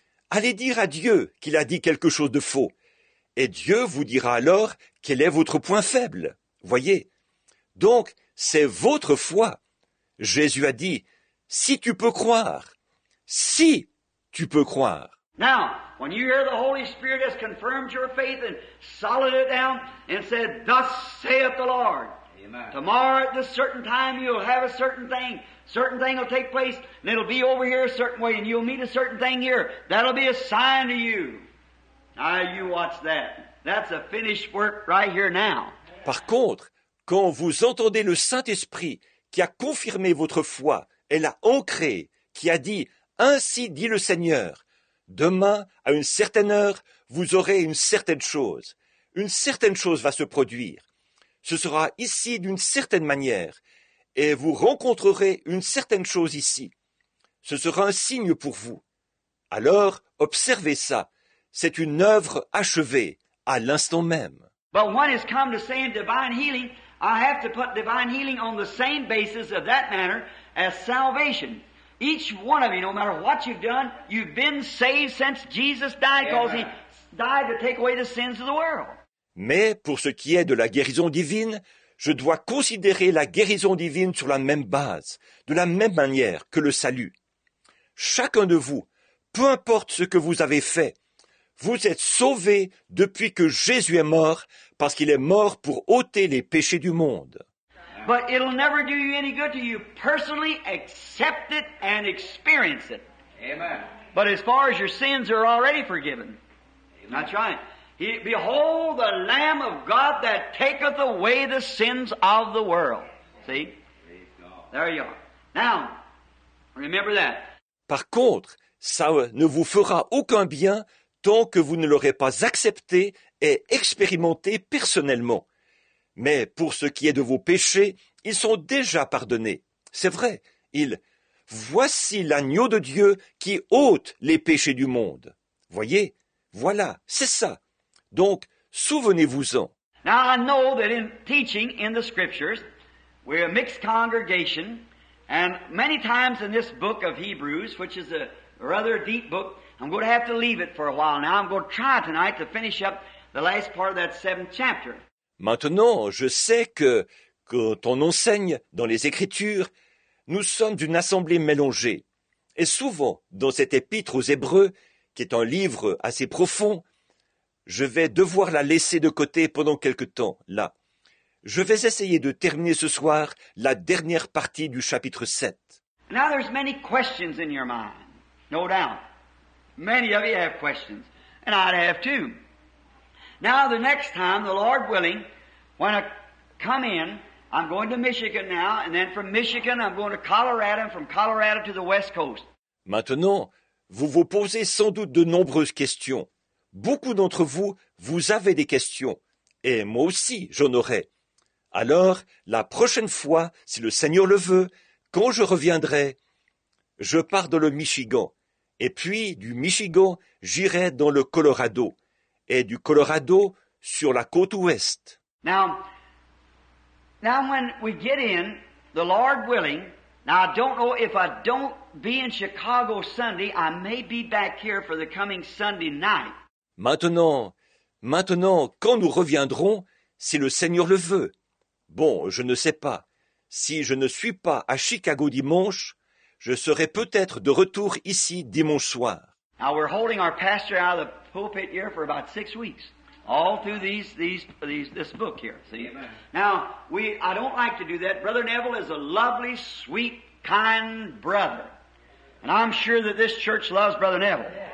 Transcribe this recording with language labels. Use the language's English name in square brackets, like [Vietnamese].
[French] Allez dire à Dieu qu'il a dit quelque chose de faux, et Dieu vous dira alors quel est votre point faible, voyez. Donc, c'est votre foi. Jésus a dit, si tu peux croire, si tu peux croire. [English] Now, when you hear the Holy Spirit has confirmed your faith and solid it down and said, thus saith the Lord. Amen. Tomorrow at this certain time you'll have a certain thing. Certain thing will take place and it'll be over here a certain way and you'll meet a certain thing here. That'll be a sign to you. Now you watch that. That's a finished work right here now. [French] Par contre, quand vous entendez le Saint-Esprit qui a confirmé votre foi et l'a ancré, qui a dit, ainsi dit le Seigneur, demain, à une certaine heure, vous aurez une certaine chose. Une certaine chose va se produire. Ce sera ici d'une certaine manière, et vous rencontrerez une certaine chose ici. Ce sera un signe pour vous. Alors, observez ça. C'est une œuvre achevée, à l'instant même. [English] But when it's come to saying divine healing, I have to put divine healing on the same basis of that manner as salvation. Each one of you, no matter what you've done, you've been saved since Jesus died, because he died to take away the sins of the world. [French] Mais pour ce qui est de la guérison divine, je dois considérer la guérison divine sur la même base, de la même manière que le salut. Chacun de vous, peu importe ce que vous avez fait, vous êtes sauvés depuis que Jésus est mort, parce qu'il est mort pour ôter les péchés du monde. [English] But it'll never do you any good till you personally accept it and experience it. Amen. But as far as your sins are already forgiven. Amen. That's right. He, behold the Lamb of God that taketh away the sins of the world. See? Praise God. There you are. Now, remember that. [French] Par contre, ça ne vous fera aucun bien tant que vous ne l'aurez pas accepté et expérimenté personnellement. Mais pour ce qui est de vos péchés, ils sont déjà pardonnés. C'est vrai, il « Voici l'agneau de Dieu qui ôte les péchés du monde. » Voyez, voilà, c'est ça. Donc, souvenez-vous-en. [English] Now I know that in teaching in the scriptures, we're a mixed congregation, and many times in this book of Hebrews, which is a rather deep book, I'm going to have to leave it for a while now. I'm going to try tonight to finish up the last part of that seventh chapter. [French] Maintenant, je sais que quand on enseigne dans les Écritures, nous sommes d'une assemblée mélangée. Et souvent, dans cette épître aux Hébreux, qui est un livre assez profond, je vais devoir la laisser de côté pendant quelque temps, là. Je vais essayer de terminer ce soir la dernière partie du chapitre 7. [English] Now there's many questions in your mind, no doubt. Many of you have questions, and I have too. Now the next time, the Lord willing, when I come in, I'm going to Michigan now, and then from Michigan I'm going to Colorado, and from Colorado to the West Coast. [French] Maintenant, vous vous posez sans doute de nombreuses questions. Beaucoup d'entre vous, vous avez des questions, et moi aussi j'en aurai. Alors, la prochaine fois, si le Seigneur le veut, quand je reviendrai, je pars dans le Michigan, et puis du Michigan, j'irai dans le Colorado, et du Colorado sur la côte ouest. [English] Now when we get in, the Lord willing, now I don't know if I don't be in Chicago Sunday, I may be back here for the coming Sunday night. [French] Maintenant, quand nous reviendrons, si le Seigneur le veut. Bon, je ne sais pas. Si je ne suis pas à Chicago dimanche, je serai peut-être de retour ici dimanche soir. [English] Now we're holding our pastor out of the pulpit here for about 6 weeks. All through this book here, see? Amen. Now, I don't like to do that. Brother Neville is a lovely, sweet, kind brother. And I'm sure that this church loves Brother Neville.